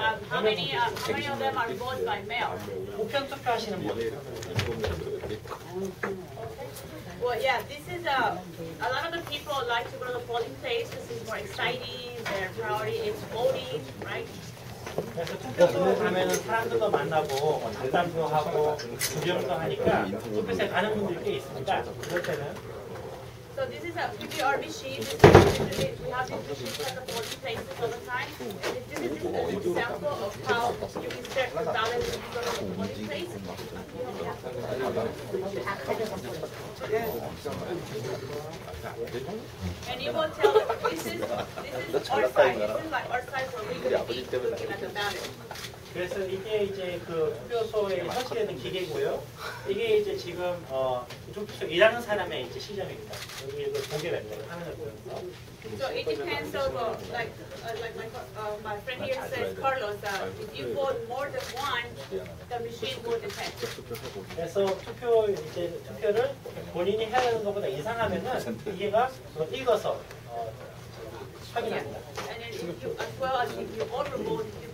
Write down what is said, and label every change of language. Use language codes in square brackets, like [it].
[en] How many of them are voted by mail? [ko] 우편 투표하시는 분. [en] Well, yeah, this is a lot of the people like to go to the polling place. This is more exciting. Their priority is voting, right? [ko] 그래서 투표소 가면은 사람들도 만나고 담당도 하고 구경도 하니까 투표소에 가는 분들이 꽤 있으니까 그럴 때는. [en] So this is a PPR machine. This is, we have the machines at the polling places all the time. And this is just a good example of how you insert the ballot in the polling place. And it will tell us this is our size. This is like our size where we could be looking at the ballot. [ko] 그래서 이게 이제 그 투표소에 설치되는 기계고요. 이게 이제 지금 투표소 일하는 사람의 이제 시점입니다. 여기 이거 보게 되는 화면을 보면서. [en] So it depends on like my friend here says Carlos that if you vote more than one, the machine will detect. [ko] 그래서 투표 이제 투표를 본인이 해야 되는 것보다 이상 하면은 기계가 읽어서 확인합니다. [en] Yeah. And then if you as well as if you overvote.